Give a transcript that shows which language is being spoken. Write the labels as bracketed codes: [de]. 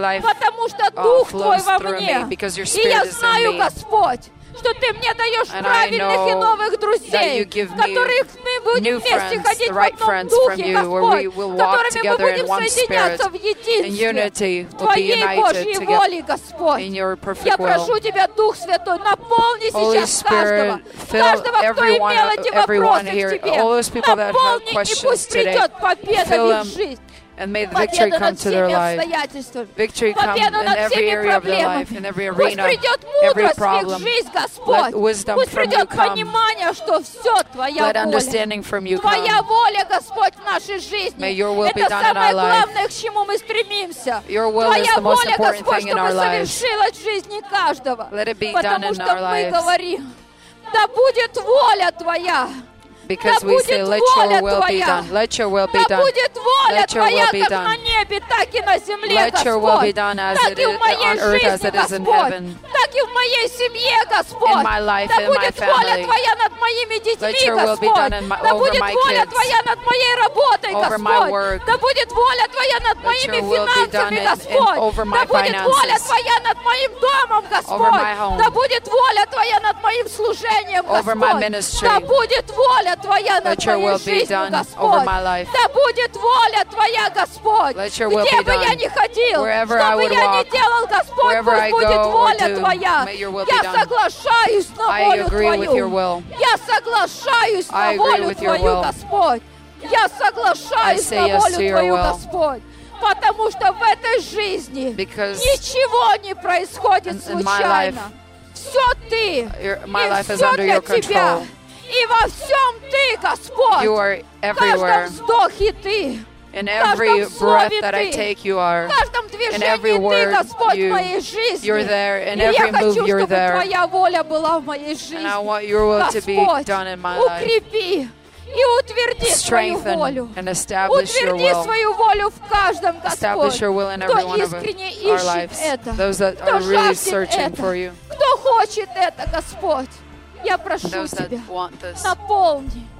[ru] Потому что дух твой во мне. И я знаю, Господь, что ты мне даешь правильных и новых друзей, которых мы будем вместе ходить в одном духе, Господь, которыми мы будем соединяться в единстве в твоей Божьей воле, Господь. Я прошу тебя, Дух Святой, наполни сейчас каждого, кто имел эти вопросы к тебе. Наполни, и пусть придет победа в их жизнь. [en] And may the victory come to their life. Victory come in every area of their life, in every arena, every problem. Let wisdom from you come. Let understanding from you come. May your will be done in our life. Your will is the most important thing in our lives. Let it be done in our lives. Because we say, let your will be done. Let your will be done. Let your will be done. [ru] На небе, так и на земле, Господь. [en] Let your will be done as it is on earth, as it is in heaven. [ru] Так и в моей семье, Господь. [en] In my life, in my family. Let your will be done over my kids. Over my work. Let your will be done over my finances. Over my home. Over my ministry. [ru] Твоя на твоей жизни, Господь. Да будет воля Твоя, Господь. Где бы я ни ходил, что бы я ни делал, Господь, пусть будет воля Твоя. Я соглашаюсь на волю Твою. Я соглашаюсь на волю Твою, Господь. Я соглашаюсь на волю Твою, Господь. Потому что в этой жизни ничего не происходит случайно. Все Ты. И все для Тебя. И во всем Ты, Господь. [en] You are everywhere. [ru] В каждом вздохе Ты. [en] In every breath that I take, you are. [ru] В каждом движении Ты, Господь, в моей жизни. [en] You're there. In every move, you're there. [ru] И я хочу, чтобы Твоя воля была в моей жизни. [en] And I want your will to be done in my life. [ru] Укрепи и утверди свою волю. [en] And establish your will. [ru] Утверди свою волю в каждом, Господь. [en] Establish your will in every one of our lives. Those that are really searching for you. [ru] Кто хочет это, Господь? Я прошу тебя, наполни,